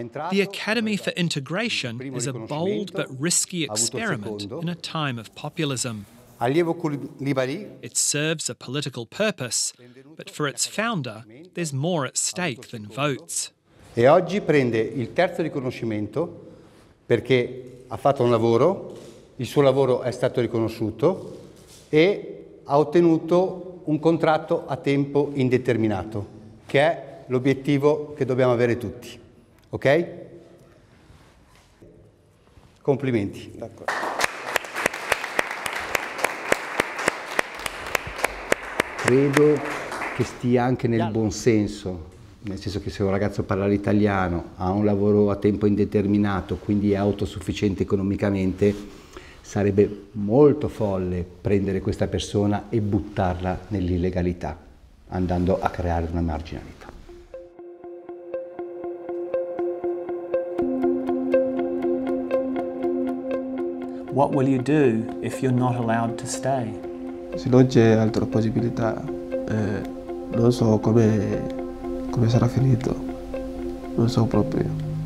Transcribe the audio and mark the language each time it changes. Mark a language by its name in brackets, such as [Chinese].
[English] The Academy for Integration is a bold but risky experiment in a time of populism. It serves a political purpose, but for its founder, there's more at stake than votes. [Italian] e oggi prende il terzo riconoscimento perché ha fatto un lavoro, il suo lavoro è stato riconosciuto e ha ottenuto un contratto a tempo indeterminato, che è l'obiettivo che dobbiamo avere tutti. Ok? Complimenti. D'accordo. Credo che stia anche nel buon senso, nel senso che se un ragazzo parla l'italiano, ha un lavoro a tempo indeterminato, quindi è autosufficiente economicamente, sarebbe molto folle prendere questa persona e buttarla nell'illegalità, andando a creare una marginalità. [English] What will you do if you're not allowed to stay? [Italian] Se non c'è altra possibilità, non so come sarà finito, non so proprio.